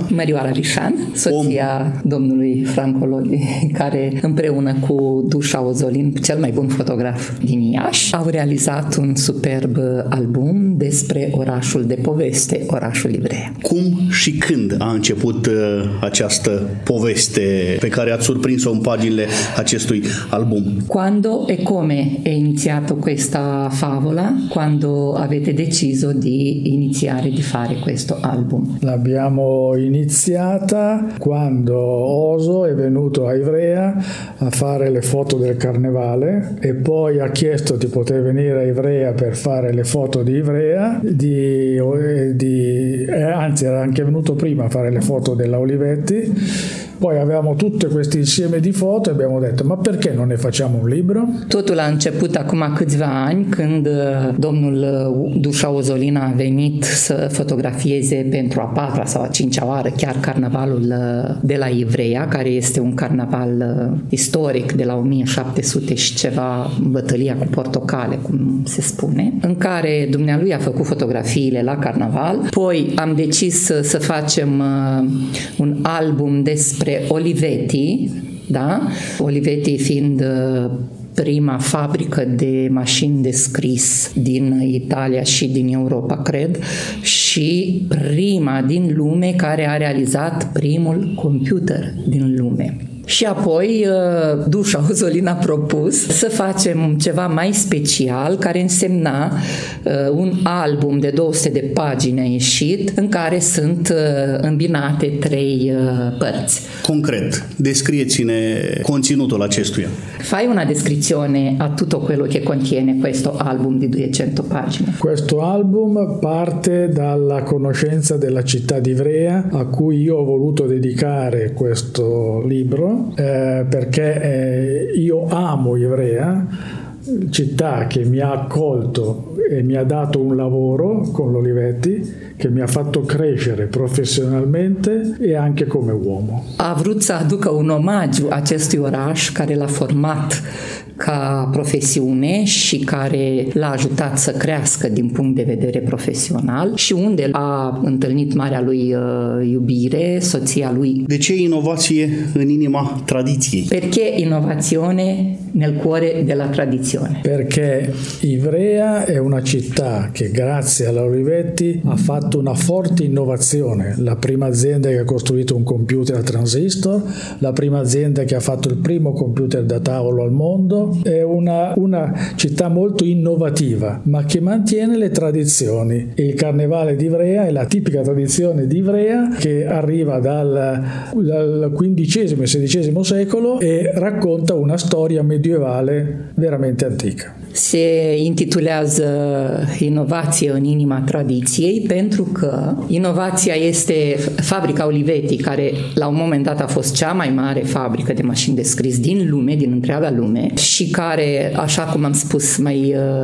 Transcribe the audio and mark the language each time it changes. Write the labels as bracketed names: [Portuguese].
[Romanian] Mărioara Rișan, soția domnului Franco Lodi, care împreună cu Dușa Ozolin, cel mai bun fotograf din Iași, au realizat un superb album despre orașul de poveste, orașul Livrea. Cum și când a început această poveste pe care ați surprins-o în paginile acestui album? [Italian] Quando e come è iniziato questa favola? Quando avete deciso di iniziare di fare questo album? L'abbiamo iniziata quando Oso è venuto a Ivrea a fare le foto del carnevale e poi ha chiesto di poter venire a Ivrea per fare le foto di Ivrea, anzi era anche venuto prima a fare le foto della Olivetti. Poi avevamo tutte questi insieme di foto e abbiamo detto, ma perché non ne facciamo un libro? [Romanian] Totul a început acum câțiva ani, când domnul Dușa Ozolin a venit să fotografieze pentru a patra sau a cincea oară chiar carnavalul de la Ivrea, care este un carnaval istoric de la 1700 și ceva, bătălia cu portocale, cum se spune, în care dumnealui a făcut fotografiile la carnaval. Poi am decis să facem un album despre Olivetti, da? Olivetti fiind prima fabrică de mașini de scris din Italia și din Europa, cred, și prima din lume care a realizat primul computer din lume. Și apoi Dușa Ozolin a propus să facem ceva mai special, care însemna un album de 200 de pagini ieșit, în care sunt îmbinate trei părți. Concret, descrieți-ne conținutul acestuia. [Italian] Fai una descrizione a tutto quello che contiene questo album di 200 pagine. Questo album parte dalla conoscenza della città di Ivrea, a cui io ho voluto dedicare questo libro, perché io amo Ivrea, città che mi ha accolto e mi ha dato un lavoro con l'Olivetti, che mi ha fatto crescere professionalmente e anche come uomo. [Romanian] Ha vrut să aducă un omagiu acestui oraș care l-a format ca profesiune și care l-a ajutat să crească din punct de vedere profesional și unde a întâlnit marea lui iubire, soția lui. De ce inovație în inima tradiției? [Italian] Perché innovazione nel cuore della tradizione. Perché Ivrea è una città che grazie alla Olivetti ha fatto una forte innovazione, la prima azienda che ha costruito un computer a transistor, la prima azienda che ha fatto il primo computer da tavolo al mondo. È una città molto innovativa, ma che mantiene le tradizioni. Il carnevale di Ivrea è la tipica tradizione di Ivrea che arriva dal XV e XVI secolo e racconta una storia medievale veramente antica. [Romanian] Se intitulează Inovație în inima tradiției pentru că inovația este fabrica Olivetti, care la un moment dat a fost cea mai mare fabrică de mașini de scris din lume, din întreaga lume, și care, așa cum am spus mai